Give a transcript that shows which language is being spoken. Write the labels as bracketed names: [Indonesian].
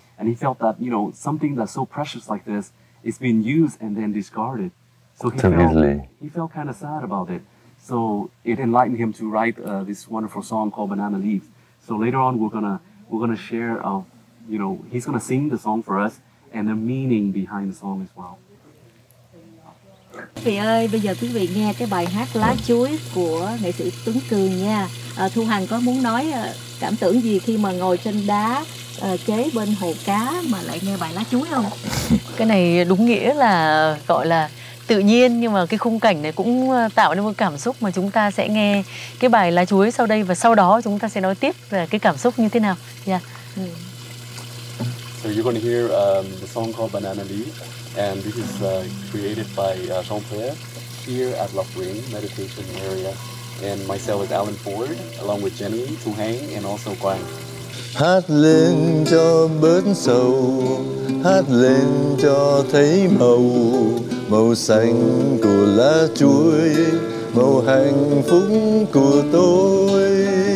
[English] And he felt that, something that's so precious like this is being used and then discarded. So he felt kind of sad about it. So it enlightened him to write this wonderful song called Banana Leaves. So later on, we're gonna share, he's gonna sing the song for us and the meaning behind the song as well. [Vietnamese] Quý vị ơi, bây giờ quý vị nghe cái bài hát Lá Chuối của nghệ sĩ Tuấn Cường nha. Thu Hằng có muốn nói cảm tưởng gì khi mà ngồi trên đá kế bên hồ cá mà lại nghe bài Lá Chuối không? Cái này đúng nghĩa là gọi là tự nhiên, nhưng mà cái khung cảnh này cũng tạo nên một cảm xúc mà chúng ta sẽ nghe cái bài Lá Chuối sau đây và sau đó chúng ta sẽ nói tiếp về cái cảm xúc như thế nào. Yeah. [English] So you're going to hear the song called Banana Leaf, and this is created by Jean-Pierre here at Lop Wing Meditation Area, and myself is Alan Ford along with Jenny, Thu Hang and also Quang. [Vietnamese] Hát lên cho bớt sầu, hát lên cho thấy màu, màu xanh của lá chuối, màu hạnh phúc của tôi.